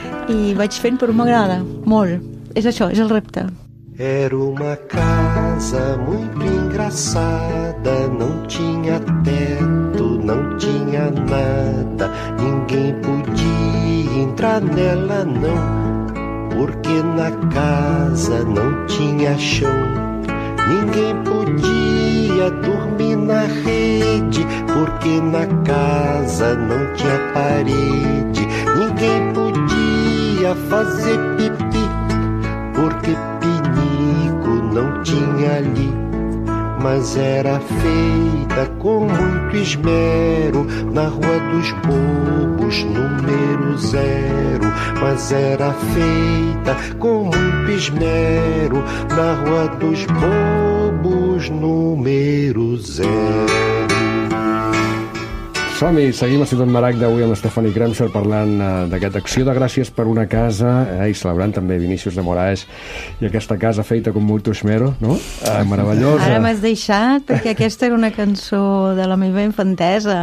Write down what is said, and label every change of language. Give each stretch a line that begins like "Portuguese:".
Catalan: I vaig fent, però m'agrada molt. És això, és el repte.
Portuguese: Era una casa casa muito engraçada, não tinha teto, não tinha nada, ninguém podia entrar nela não, porque na casa não tinha chão. Ninguém podia dormir na rede, porque na casa não tinha parede. Ninguém podia fazer pipi, porque pinico não tinha ali. Mas era feita com muito esmero, na Rua dos Bobos, número zero. Mas era feita com muito esmero, na Rua dos Bobos, número zero.
Catalan: Som-hi, seguim a Ciutat Maragda avui amb Stephanie Kremser parlant d'aquesta acció de gràcies per una casa, i celebrant també Vinícius de Moraes i aquesta casa feita com molt tuximero, no? Meravellosa. Ara m'has deixat, perquè aquesta era una cançó de la meva infantesa.